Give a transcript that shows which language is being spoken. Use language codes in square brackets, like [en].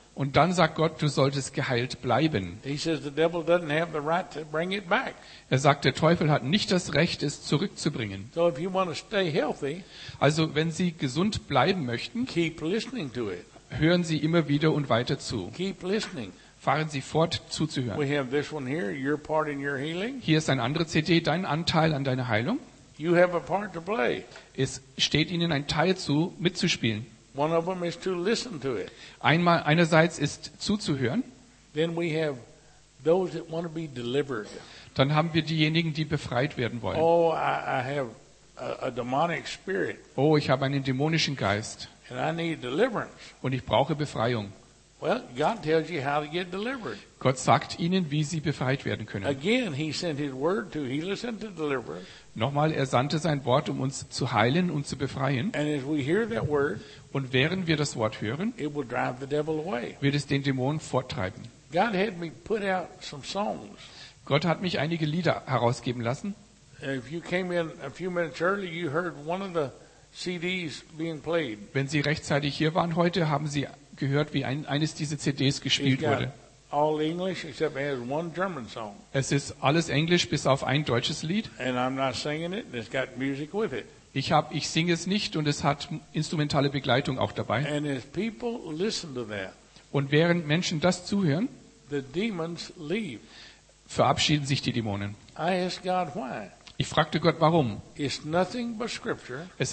[de] Und dann sagt Gott, du solltest geheilt bleiben. [en] He says, the devil doesn't have the right to bring it back. [de] Er sagt, der Teufel hat nicht das Recht, es zurückzubringen. [en] So if you want to stay healthy, [de] also wenn Sie gesund bleiben möchten, [en] keep listening to it. [de] Hören Sie immer wieder und weiter zu. [en] Keep listening. [de] Fahren Sie fort, zuzuhören. [en] We have this one here, your part in your healing. [de] Hier ist ein anderes CD, dein Anteil an deiner Heilung. [en] You have a part to play. [de] Es steht Ihnen ein Teil zu, mitzuspielen. [en] One of them is to listen to it. [de] Einmal, einerseits ist zuzuhören. [en] Then we have those that want to be delivered. [de] Dann haben wir diejenigen, die befreit werden wollen. [en] Oh, I have a demonic spirit. [de] Oh, ich habe einen dämonischen Geist. [en] And I need deliverance. [de] Und ich brauche Befreiung. [en] Well, God tells you how to get delivered. [de] Gott sagt Ihnen, wie Sie befreit werden können. [en] Again, he sent his word to heal us and to deliver us. [de] Nochmal, er sandte sein Wort, um uns zu heilen und zu befreien. [en] And as we hear that word, [de] und während wir das Wort hören, [en] it will drive the devil away. [de] Wird es den Dämonen forttreiben. [en] God had me put out some songs. [de] Gott hat mich einige Lieder herausgeben lassen. [en] If you came in a few minutes early, you heard one of the CDs being played. [de] Wenn Sie rechtzeitig hier waren heute, haben Sie gehört, wie eines dieser CDs gespielt wurde. [en] All English except has one German song. [de] Es ist alles Englisch bis auf ein deutsches Lied. [en] And I'm not singing it, and it's got music with it. [de] Ich singe es nicht und es hat instrumentale Begleitung auch dabei. [en] And as people listen to that, [de] und während Menschen das zuhören, [en] the demons leave. [de] Verabschieden sich die Dämonen. [en] I ask God why. [de] Ich fragte Gott, warum? Es